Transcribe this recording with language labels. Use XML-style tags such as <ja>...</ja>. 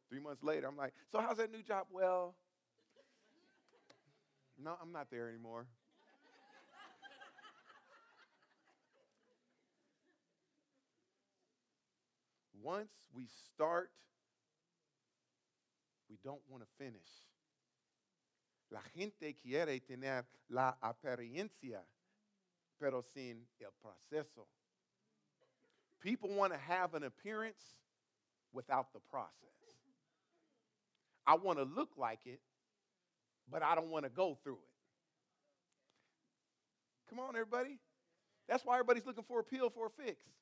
<en>3 months later, I'm like, so how's that new job? Well, no, I'm not there anymore. Once we start, we don't want to finish.</en> <es>La gente quiere tener la apariencia, pero sin el proceso.</es> <en>People want to have an appearance without the process. I want to look like it, but I don't want to go through it. Come on, everybody. That's why everybody's looking for a pill for a fix.</en>